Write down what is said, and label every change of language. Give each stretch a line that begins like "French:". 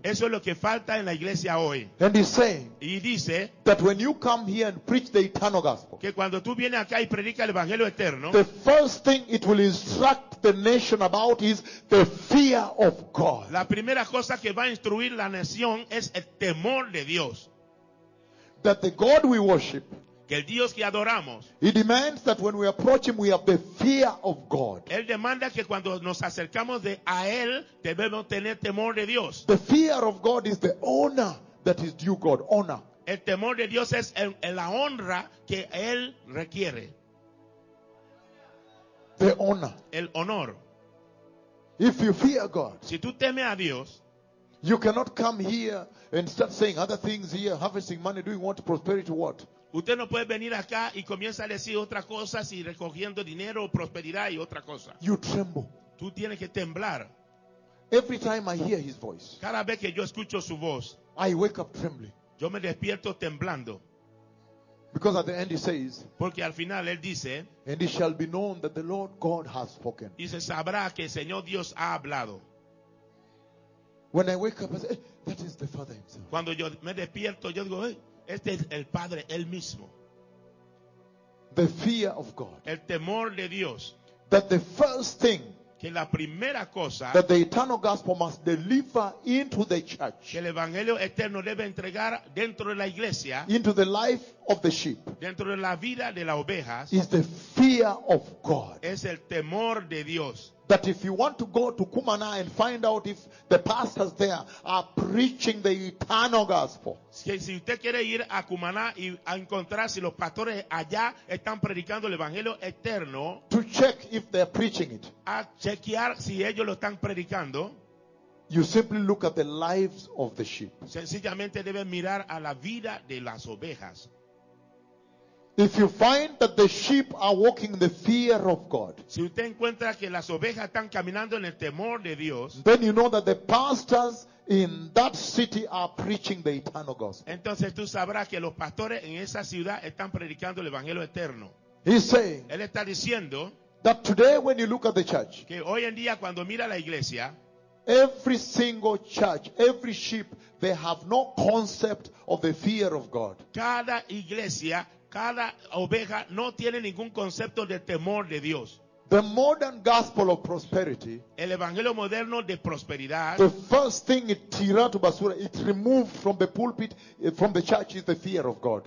Spanish: Eso es lo que falta en la iglesia hoy.
English: And he's saying.
Spanish: Y dice.
English: That when you come here and preach the eternal gospel.
Spanish: Que cuando tú vienes acá y predicas el evangelio eterno.
English: The first thing it will instruct the nation about is the fear of God.
Spanish: La primera cosa que va a instruir la nación es el temor de Dios.
English: That the God we worship.
Spanish: El Dios que adoramos.
English: He demands that when we approach him, we have the fear of God.
Spanish: Él demanda que cuando nos acercamos de a él, debemos tener temor de Dios.
English: The fear of God is the honor that is due God.
Spanish: Honor. El temor de Dios es la honra que él requiere.
English: The honor.
Spanish: El honor.
English: If you fear God,
Spanish: si tú temes a Dios,
English: you cannot come here and start saying other things here, harvesting money, doing what, prosperity, what.
Spanish: Usted no puede venir acá y comienza a decir otras cosas y recogiendo dinero, prosperidad y otra cosa.
English: You tremble.
Spanish: Tú tienes que temblar.
English: Every time I hear his voice.
Spanish: Cada vez que yo escucho su voz.
English: I wake up trembling.
Spanish: Yo me despierto temblando.
English: Because at the end he says.
Spanish: Porque al final él dice.
English: And it shall be known that the Lord God has spoken.
Spanish: Y se sabrá que el Señor Dios ha hablado.
English: When I wake up, I say, hey, that is the Father himself.
Spanish: Cuando yo me despierto, yo digo, hey. Este es el Padre, él mismo.
English: The fear of God.
Spanish: El temor de Dios.
English: That the first thing.
Spanish: Que la primera cosa.
English: That the eternal gospel must deliver into the church.
Spanish: Que el evangelio eterno debe entregar dentro de la iglesia.
English: Into the life of the sheep.
Spanish: Dentro de la vida de las ovejas.
English: Is the fear of God.
Spanish: Es el temor de Dios.
English: That if you want to go to Cumaná and find out if the pastors there are preaching the eternal gospel.
Spanish: Si usted quiere ir a Cumaná y a encontrar si los pastores allá están predicando el evangelio eterno.
English: To check if they are preaching it.
Spanish: A chequear si ellos lo están predicando.
English: You simply look at the lives of the sheep.
Spanish: Sencillamente deben mirar a la vida de las ovejas.
English: If you find that the sheep are walking in the fear of God,
Spanish: si usted encuentra que las ovejas están caminando en el temor de Dios,
English: then you know that the pastors in that city are preaching the eternal gospel.
Spanish: Entonces tú sabrás que los pastores en esa ciudad están predicando el evangelio eterno.
English: He's saying,
Spanish: él está diciendo,
English: that today when you look at the church,
Spanish: que hoy en día cuando mira la iglesia,
English: every single church, every sheep, they have no concept of the fear of God.
Spanish: Cada iglesia, cada oveja no tiene ningún concepto de temor de Dios.
English: The modern gospel of prosperity,
Spanish: el evangelio moderno de prosperidad,
English: the first thing it
Spanish: tirato basura,
English: it removed from the pulpit, from the church, is the fear of God.